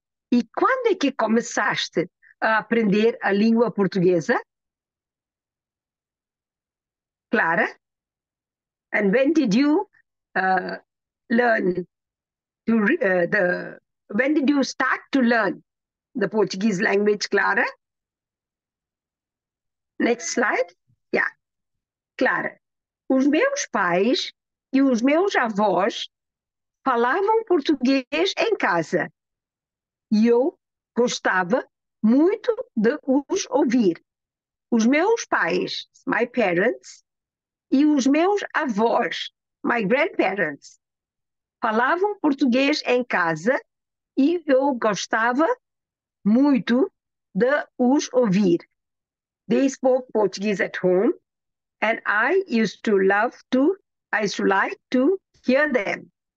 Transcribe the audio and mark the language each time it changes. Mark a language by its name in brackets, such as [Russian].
[Portuguese] E quando é que começaste a aprender a língua portuguesa? Clara? [English] And when did you learn to the when did you start to learn the Portuguese language, Clara? Next slide. [Portuguese] Clara, os meus pais e os meus avós falavam português em casa e eu gostava muito de os ouvir. Os meus pais, [English] my parents, [Portuguese] e os meus avós, [English] my grandparents, [Portuguese] falavam português em casa e eu gostava muito de os ouvir. [English] They spoke Portuguese at home, and I used to like to hear them.